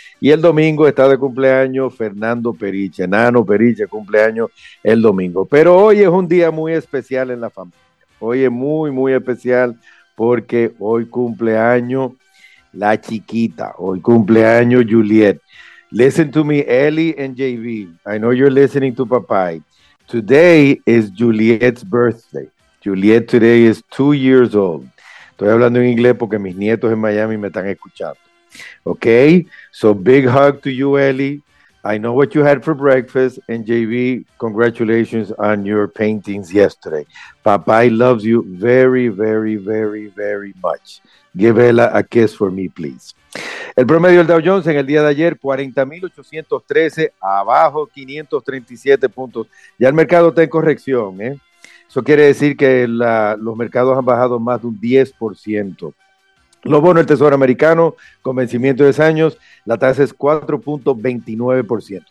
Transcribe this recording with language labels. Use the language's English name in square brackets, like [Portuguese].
[Spanish] Y el domingo está de cumpleaños Fernando Periche, Nano Periche, cumpleaños el domingo. Pero hoy es un día muy especial en la familia. Hoy es muy, muy especial porque hoy cumpleaños la chiquita, hoy cumpleaños Juliet. [English] Listen to me, Ellie and JV. I know you're listening to papá. Today is Juliet's birthday. Juliet today is 2 years old. [Spanish] Estoy hablando en inglés porque mis nietos en Miami me están escuchando. [English] Okay, so big hug to you, Ellie. I know what you had for breakfast. And JV, congratulations on your paintings yesterday. Papá loves you very, very, very, very much. Give Ella a kiss for me, please. [Spanish] El promedio del Dow Jones en el día de ayer, 40,813, abajo 537 puntos. Ya el mercado está en corrección, ¿eh? Eso quiere decir que los mercados han bajado más de un 10%. Los bonos del Tesoro americano, con vencimiento de 10 años, la tasa es 4.29%.